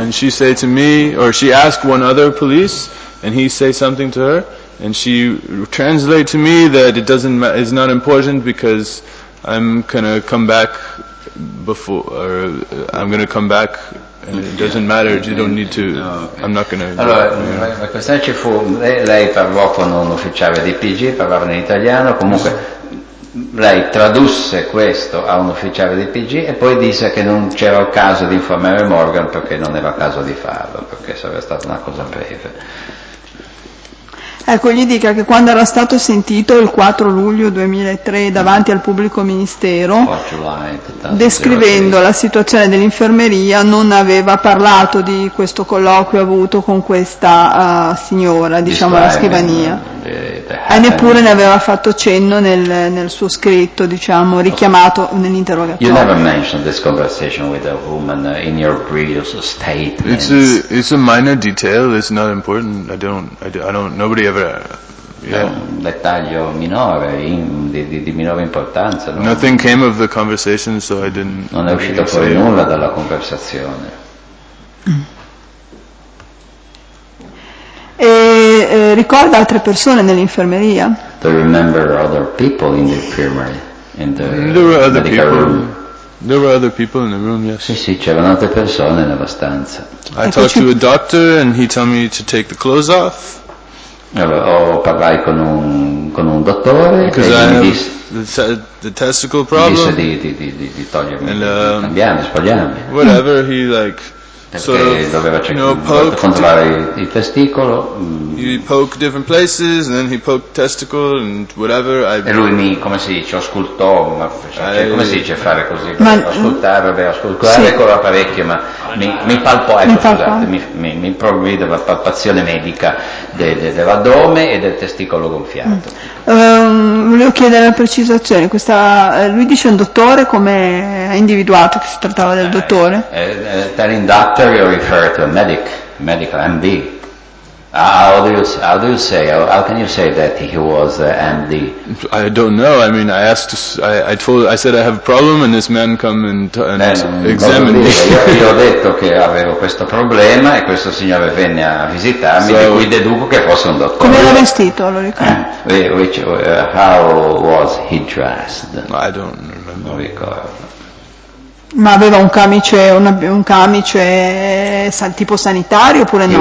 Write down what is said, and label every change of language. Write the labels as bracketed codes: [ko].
[en] She asked one other police, and he say something to her, and she translate to me that it doesn't is not important because I'm gonna come back doesn't matter. You don't need to. Okay. I'm not gonna. [it] Allora, questa ci fu. Lei parlò con un ufficiale di PG, parlava in italiano. Comunque, lei tradusse questo a un ufficiale di PG e poi disse che non c'era il caso di informare Morgan perché non era caso di farlo, perché sarebbe stata una cosa breve. Ecco, gli dica che quando era stato sentito il 4 luglio 2003 davanti al pubblico ministero, descrivendo la situazione dell'infermeria, non aveva parlato di questo colloquio avuto con questa signora, diciamo alla scrivania, e neppure ne aveva fatto cenno nel suo scritto, diciamo, richiamato nell'interrogatorio. [en] You never mentioned this conversation with a woman in your previous statement. It's a minor detail, it's not important. Nobody ever. [it] Yeah. Un dettaglio minore, di minore importanza. No? [en] Nothing came of the conversation, so I didn't. [it] Non è uscito fuori nulla dalla conversazione. Ricorda altre persone nell'infermeria? [en] Do you remember other people in the infirmary? There were other people in the room, yes. [it] Sì, c'erano altre persone nella stanza. [en] I talked to a doctor and he told me to take the clothes off. [it] Allora, parlai con un dottore e [en] the testicle problem. [it] Mi disse di togliermi, cambiarmi, spogliarmi. [en] Whatever he like. [it] Controllare il testicolo. [en] He poked different places and then he poked testicle and whatever. [it] E lui mi, come si dice, auscultò, come si dice fare così? Ascoltare con l'apparecchio, ma mi palpò, mi provvide la palpazione medica dell'addome e del testicolo gonfiato. Volevo chiedere una precisazione. Lui dice un dottore, come ha individuato che si trattava del dottore? [en] Telling doctor, you refer to a medic, medical MD. How can you say that he was MD? I don't know. I mean, I asked. I said I have a problem, and this man come and examine me. [it] Io ho detto che avevo questo problema e questo signore venne a visitarmi. So, di cui deduco che fosse un dottore. Come era vestito, lo ricordo. [en] How was he dressed? I don't remember. [it] Non ricordo. Ma aveva un camice tipo sanitario oppure no?